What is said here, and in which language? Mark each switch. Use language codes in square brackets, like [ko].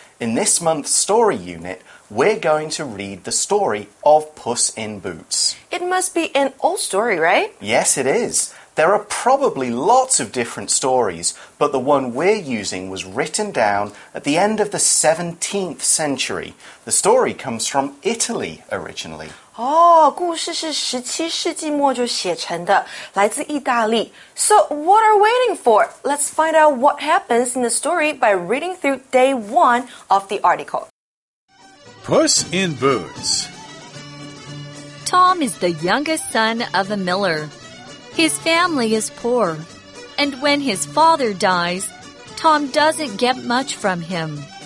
[en] In this month's story unit, we're going to read the story of Puss in Boots. It must be an old story, right? Yes, it is. There are probably lots of different stories, but the one we're using was written down at the end of the 17th century. The story comes from Italy originally. [zh] Oh, 故事是17世纪末就写成的，来自意大利。 [en] So, what are we waiting for? Let's find out what happens in the story by reading through day one of the article. Puss in Boots. Tom is the youngest son of a miller. His family is poor, and when his father dies, Tom doesn't get much from him.